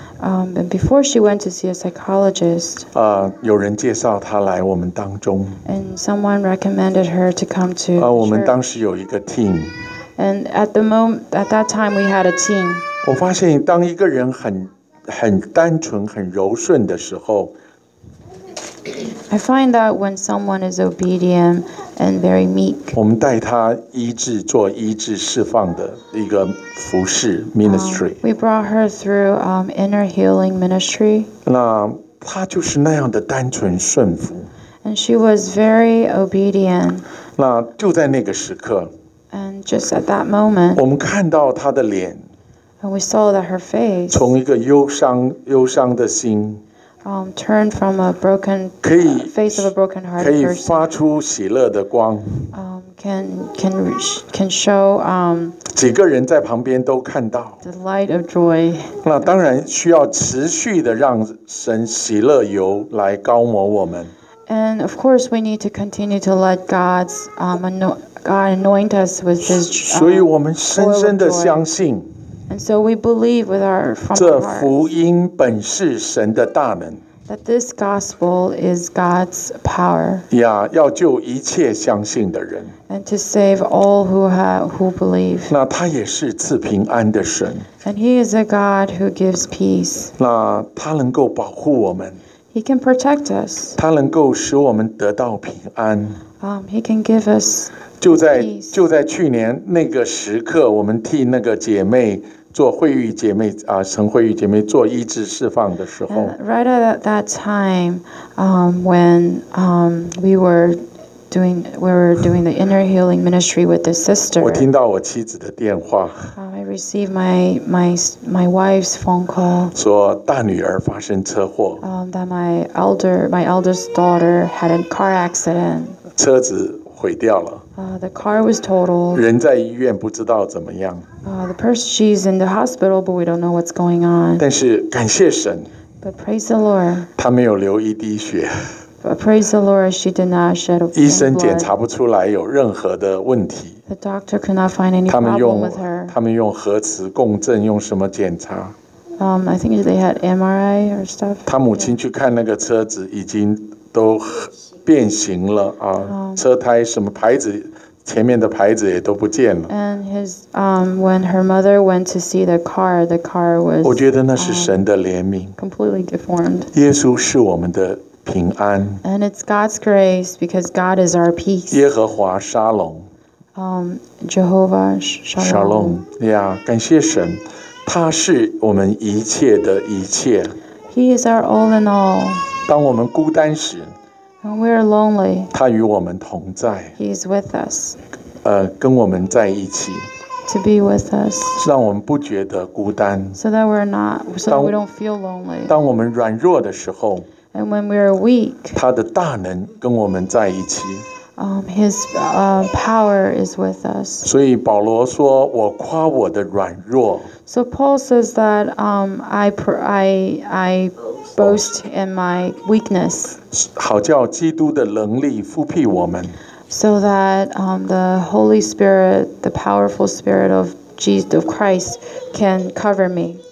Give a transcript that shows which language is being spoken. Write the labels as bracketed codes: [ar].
[en] And before she went to see a psychologist, [zh] 有人介绍她来我们当中 [en] And someone recommended her to come to church. [zh] 我们当时有一个 team. [en] And at the moment, at that time, we had a team. [zh] 我发现当一个人很单纯、很柔顺的时候 [en] ，I find that when someone is obedient and very meek, [zh] 我们带他医治、做医治、释放的一个服事 ministry. [en] We brought her through inner healing ministry. [zh] 那他就是那样的单纯顺服 [en] ，and she was very obedient. [zh] 那就在那个时刻。 [en] And just at that moment, [zh] 我们看到她的脸 [en] and we saw that her face, [zh] 从一个忧伤的心 [en] turned from a broken face of a broken hearted person, [zh] 可以发出喜乐的光 [en] can show, [zh] 几个人在旁边都看到 [en] the light of joy. [zh] 那当然需要持续的让神喜乐油来膏抹我们 [en] And of course, we need to continue to let God's God anoint us with His joy. [zh] 所以我们深深的相信。 [en] And so we believe with our from hearts. [zh] 这福音本是神的大能。 [en] That this gospel is God's power. [zh] 呀，要救一切相信的人。 [en] And to save all who believe. [zh] 那他也是赐平安的神。 [en] And He is a God who gives peace. [zh] 那他能够保护我们。 [en] He can protect us. [zh] 他能够使我们得到平安。 [en] He can give us. [zh] 就在去年那个时刻，我们替那个姐妹做慧玉姐妹啊，陈慧玉姐妹做医治释放的时候。 [en] Right at that time, when we were doing the inner healing ministry with the sister. [zh] 我听到我妻子的电话。 [en] I received my wife's phone call. [zh] 说大女儿发生车祸。 [en] That my eldest daughter had a car accident. [zh] 车子毁掉了。 [en] The car was totaled. [zh] 人在医院不知道怎么样。 [en] The person she's in the hospital, but we don't know what's going on. [zh] 但是感谢神。 [en] But praise the Lord. [zh] 她没有流一滴血。 [en] But praise the Lord, she did not shed a drop of blood. [zh] 医生检查不出来有任何的问题。 [en] The doctor could not find any problem with her. [zh] 他们用核磁共振，用什么检查？ [en] I think they had MRI or stuff. [zh] 她母亲去看那个车子，已经都。变形了啊！车胎什么牌子，前面的牌子也都不见了。 [en] And his when her mother went to see the car was [zh] 我觉得那是神的怜悯。 [en] Completely deformed. [zh] 耶稣是我们的平安。 [en] And it's God's grace because God is our peace. [zh] 耶和华沙龙。 [en] Jehovah Shalom. Shalom. [zh] Yeah, 感谢神，他是我们一切的一切。 [en] He is our all in all. [zh] 当我们孤单时。 [en] When we are lonely, [zh] 他与我们同在。 [en] He is with us. [zh] 跟我们在一起。 [en] To be with us. [zh] 让我们不觉得孤单。 [en] So that we're not, so that we don't feel lonely. [zh] 当我们软弱的时候。 [en] And when we are weak. [zh] 他的大能跟我们在一起。 [en] His power is with us. [zh] 所以保罗说，我夸我的软弱。 [en] So Paul says that I boast in my weakness. [zh] 好叫基督的能力覆庇我们。 [en] So that the Holy Spirit, the powerful Spirit of Jesus of Christ, can cover me.